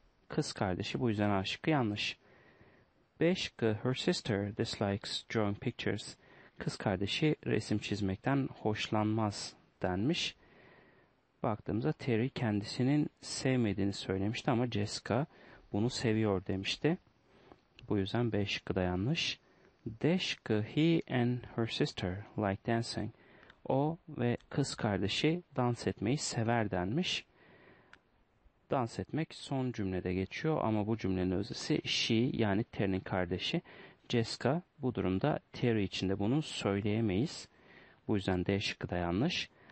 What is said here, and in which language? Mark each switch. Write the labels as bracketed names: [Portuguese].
[Turkish] Kız kardeşi, bu yüzden A şıkkı yanlış. B şıkkı, [English] her sister dislikes drawing pictures. [Turkish] Kız kardeşi resim çizmekten hoşlanmaz denmiş. Baktığımızda Terry kendisinin sevmediğini söylemişti ama Jessica bunu seviyor demişti. Bu yüzden B şıkkı da yanlış. D şıkkı, [English] he and her sister like dancing. [Turkish] O ve kız kardeşi dans etmeyi sever denmiş. Dans etmek son cümlede geçiyor ama bu cümlenin özesi she, yani Terry'nin kardeşi Jessica. Bu durumda Terry için de bunu söyleyemeyiz. Bu yüzden D şıkkı da yanlış.